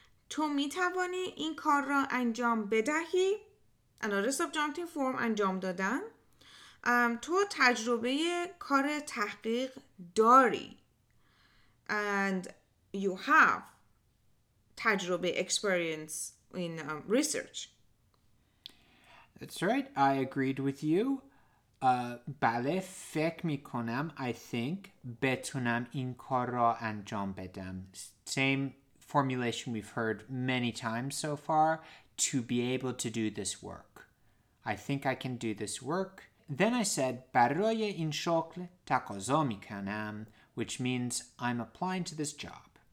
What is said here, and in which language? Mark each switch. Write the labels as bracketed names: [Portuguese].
[Persian] To mitavani in kar ra anjam bedahi, [English] another subjunctive form, [Persian] anjam dadan. تو تجربه کار تحقیق داری. [English] And you have تجربه experience in research. That's right. I agreed with you. [Persian] بله فکر می کنم [English] I think [Persian] بتونم این کار را انجام بدم. [English] Same formulation we've heard many times so far. To be able to do this work. I think I can do this work. Then I said [Persian] برای این شغل تقاضا می کنم, [English] which means I'm applying to this job.